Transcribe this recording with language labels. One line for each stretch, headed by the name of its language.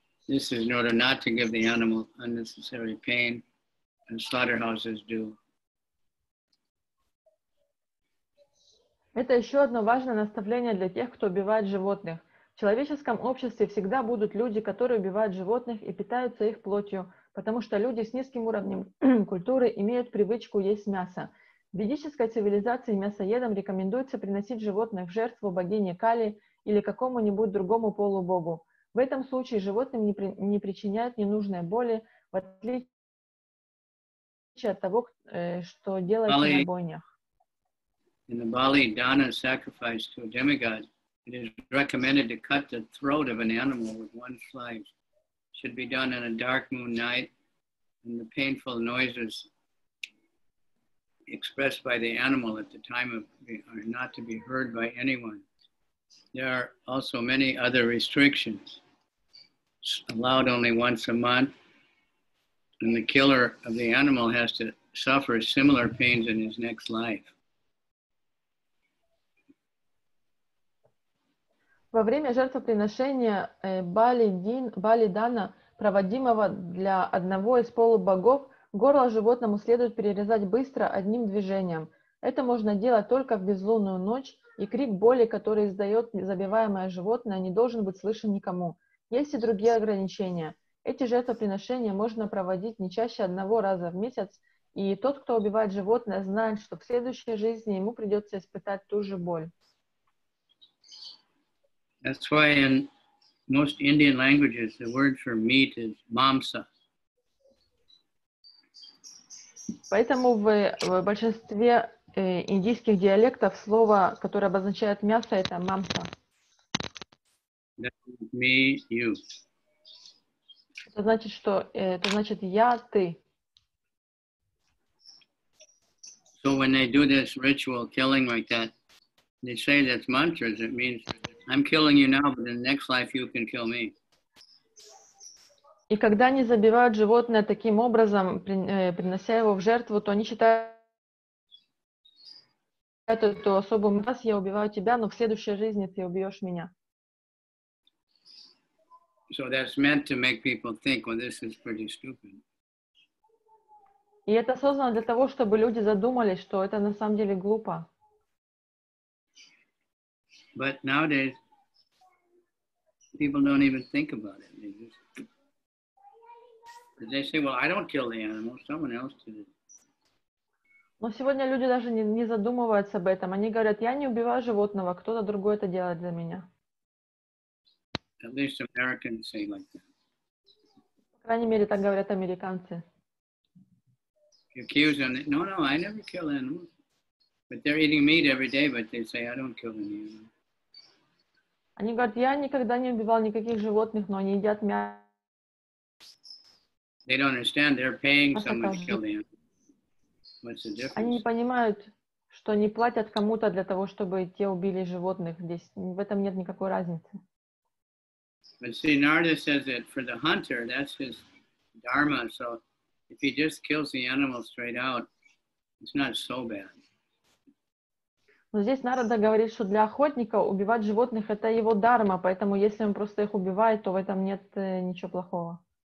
English: This is in order not to give the animal unnecessary pain, and slaughterhouses do.
Russian: Это еще одно важное наставление для тех, кто убивает животных. В человеческом обществе всегда будут люди, которые убивают животных и питаются их плотью, потому что люди с низким уровнем культуры имеют привычку есть мясо. В ведической цивилизации мясоедам рекомендуется приносить животных в жертву богине Кали или какому-нибудь другому полубогу. В этом случае животным не причиняют ненужной боли, в отличие от того, что делают на бойнях.
English: In the Bali Dana sacrifice to a demigod, it is recommended to cut the throat of an animal with one slice. It should be done on a dark moon night, and the painful noises expressed by the animal at the time of are not to be heard by anyone. There are also many other restrictions. It's allowed only once a month, and the killer of the animal has to suffer similar pains in his next life.
Russian: Во время жертвоприношения Бали-дана, проводимого для одного из полубогов, горло животному следует перерезать быстро одним движением. Это можно делать только в безлунную ночь, и крик боли, который издает забиваемое животное, не должен быть слышен никому. Есть и другие ограничения. Эти жертвоприношения можно проводить не чаще одного раза в месяц, и тот, кто убивает животное, знает, что в следующей жизни ему придется испытать ту же боль.
English: That's why in most Indian languages, the word for meat is mamsa.
Russian: Поэтому в большинстве индийских диалектов слово, которое обозначает мясо, это мамса.
English: That means me, you.
Russian: Это значит, что это значит я, ты.
English: So when they do this ritual killing like that, they say that's mantras, it means I'm killing you now, but in the next life you can kill me.
Russian: И когда они забивают животное таким образом, принося его в жертву, то они считают эту особую раз я убиваю тебя, но в следующей жизни ты убьешь меня.
English: So that's meant to make people think, well, this is pretty stupid.
Russian: И это создано для того, чтобы люди задумались, что это на самом деле глупо.
English: But nowadays, people don't even think about it. They just, they say, well, I don't kill the animal, someone else did it.
Russian: Но сегодня люди даже не задумываются об этом. Они говорят, я не убиваю животного, кто-то другой это делает за меня.
English: At least Americans say like that.
Russian: По крайней мере, так говорят американцы.
English: Accuse them, no, no, I never kill animals. But they're eating meat every day, but they say, I don't kill any animals.
Russian: Они говорят, я никогда не убивал никаких животных, но они едят мясо.
English: They don't understand. They're paying someone to kill them. What's the difference?
Russian: Они не понимают, что они платят кому-то для того, чтобы те убили животных. Здесь в этом нет никакой разницы.
English: But see, Narada says that for the hunter, that's his dharma. So if he just kills the animal straight out, it's not so bad.
Russian: Но здесь Нарада говорит, что для охотника убивать животных – это его дарма, поэтому если он просто их убивает, то в этом нет ничего плохого.